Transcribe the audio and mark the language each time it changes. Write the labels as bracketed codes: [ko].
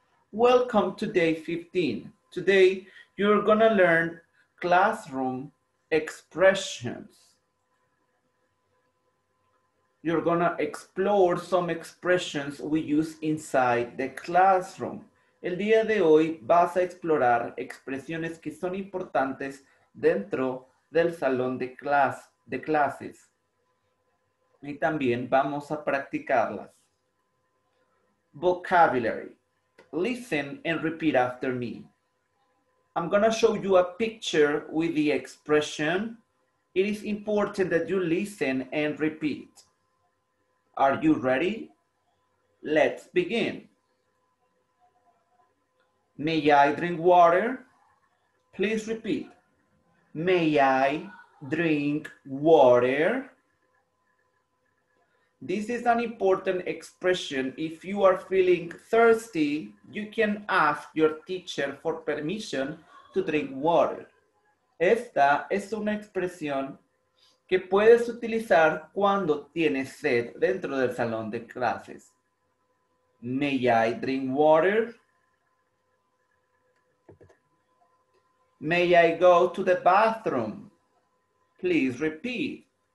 [en] Welcome to day 15. Today, you're gonna learn classroom expressions. You're gonna explore some expressions we use inside the classroom. [es] El día de hoy vas a explorar expresiones que son importantes dentro del salón de clases. Y también vamos a practicarlas. Vocabulary. [en] Listen and repeat after me. I'm gonna show you a picture with the expression. It is important that you listen and repeat. Are you ready? Let's begin. May I drink water? Please repeat. May I drink water? This is an important expression. If you are feeling thirsty, you can ask your teacher for permission to drink water. [es] Esta es una expresión que puedes utilizar cuando tienes sed dentro del salón de clases. [en] May I drink water? May I go to the bathroom? Please repeat.